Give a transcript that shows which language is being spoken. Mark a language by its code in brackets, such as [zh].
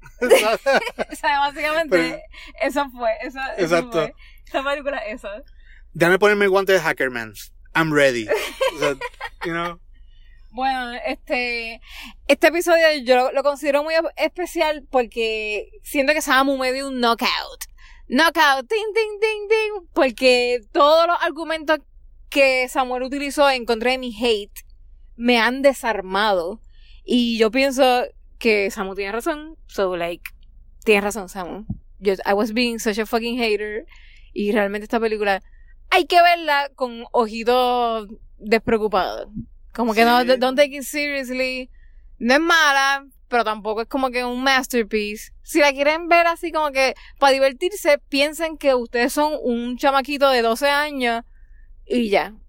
[es] O sea, básicamente, eso fue. Esa película, eso. Déjame ponerme el guante de Hackerman. [en] I'm ready. [es] O sea, [en] you know. [es] Bueno, este episodio yo lo considero muy especial porque siento que Samu me dio un knockout. Knockout, ding, ding, ding, ding. Porque todos los argumentos que Samuel utilizó en contra de mi hate me han desarmado. Y yo pienso que Samu tiene razón. [en] So, like, [es] tienes razón, Samu. [en] I was being such a fucking hater. [es] Y realmente esta película hay que verla con ojito despreocupado. Como que sí. [en] Don't take it seriously. [es] No es mala, pero tampoco es como que un masterpiece. Si la quieren ver así como que para divertirse, piensen que ustedes son un chamaquito de 12 años y ya.